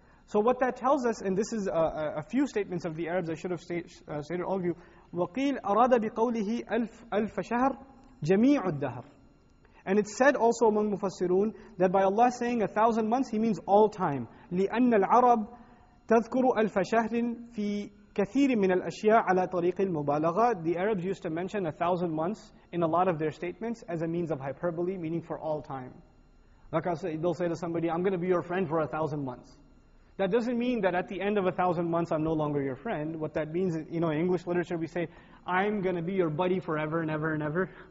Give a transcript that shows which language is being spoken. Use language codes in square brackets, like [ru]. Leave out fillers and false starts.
[en] So what that tells us, and this is a few statements of the Arabs, I should have stated all of you. [ar] وَقِيلْ أَرَادَ بِقَوْلِهِ أَلْفَ شَهْرٍ جَمِيعُ الدَّهْرِ. [en] And it's said also among Mufassirun that by Allah saying 1,000 months, he means all time. [ar] لِأَنَّ الْعَرَبْ تَذْكُرُ أَلْفَ شَهْرٍ فِي كثير من الأشياء على طريق المبالغة. [en] The Arabs used to mention 1,000 months in a lot of their statements as a means of hyperbole, meaning for all time. Like I say, they'll say to somebody, I'm going to be your friend for 1,000 months. That doesn't mean that at the end of 1,000 months, I'm no longer your friend. What that means is, you know, in English literature, we say, I'm going to be your buddy forever and ever and ever.